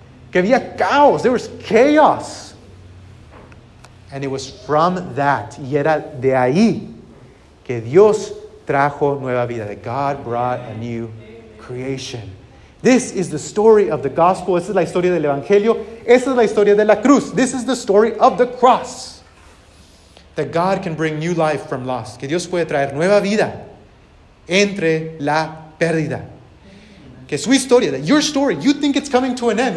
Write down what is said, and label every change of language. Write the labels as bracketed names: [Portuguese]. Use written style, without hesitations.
[Spanish] Que había caos, [English] there was chaos. And it was from that, [Spanish] y era de ahí, que Dios trajo nueva vida, [English] that God brought a new creation. This is the story of the gospel. [Spanish] Esta es la historia del Evangelio. Esta es la historia de la cruz. [English] This is the story of the cross. That God can bring new life from loss. [Spanish] Que Dios puede traer nueva vida entre la pérdida. Que su historia, [English] that your story, you think it's coming to an end.